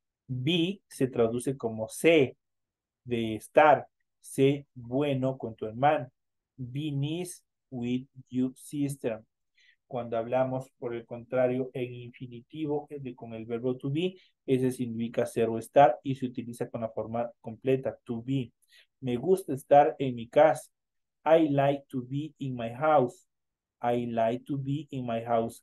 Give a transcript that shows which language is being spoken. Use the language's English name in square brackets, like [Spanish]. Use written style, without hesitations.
[Spanish] Be se traduce como sé, de estar. Sé bueno con tu hermana. [English] Be nice with your sister. [Spanish] Cuando hablamos, por el contrario, en infinitivo con el verbo to be, ese significa ser o estar y se utiliza con la forma completa, to be. Me gusta estar en mi casa. [English] I like to be in my house. I like to be in my house.